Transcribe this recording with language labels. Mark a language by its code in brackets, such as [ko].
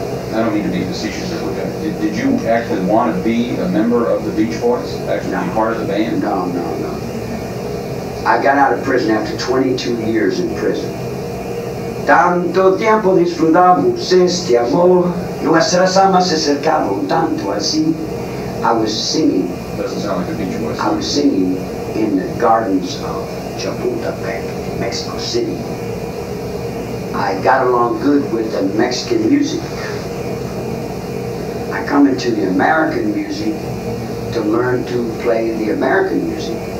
[en] I don't mean to be facetious, did you actually want to be a member of the Beach Boys? Be part of the band? No. I got out of prison after 22 years in prison. [es] Tanto tiempo disfrutamos este amor, nuestras almas se acercaron tanto así. [en] I was singing. Doesn't sound like a Beach Boys. I was singing in the gardens of Chapultepec, Mexico City. I got along good with the Mexican music. I come into the American music to learn to play the American music.